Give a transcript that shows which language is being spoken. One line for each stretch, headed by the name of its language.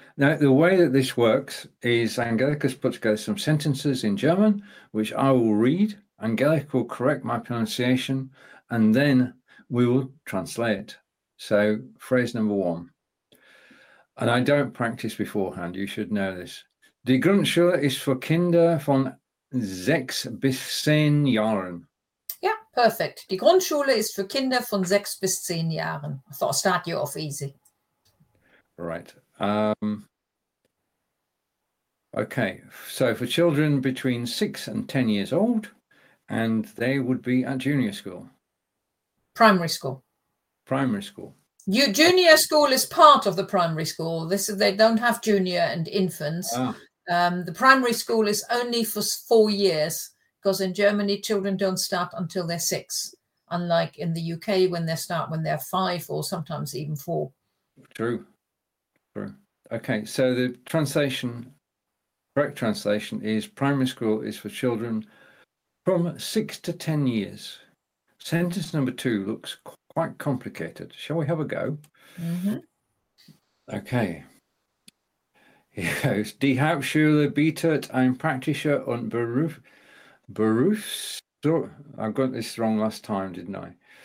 English: Now, the way that this works is Angelica's put together some sentences in German, which I will read. Angelica will correct my pronunciation, and then we will translate. So, phrase number 1. And I don't practice beforehand, you should know this.
German: Die Grundschule ist für Kinder von 6 bis 10 Jahren.
English: Perfect.
German: Die Grundschule ist für Kinder von 6 bis 10 Jahren.
English: I thought I'll start you off easy. Right. Okay. So for children between 6 and 10 years old, and they would be at junior school. Primary school. Junior school is part of the primary school. They don't have junior and infants. The primary school is only for 4 years. Because in Germany, children don't start until they're 6, unlike in the UK when they start when they're 5 or sometimes even 4. True. Okay, so the correct translation is primary school is for children from 6 to 10 years. Sentence number 2 looks quite complicated. Shall we have a go? Mm-hmm. Okay. Yes.
German: Die Hauptschule bietet ein Praktische und Beruf.
English: I got this wrong last time, didn't I?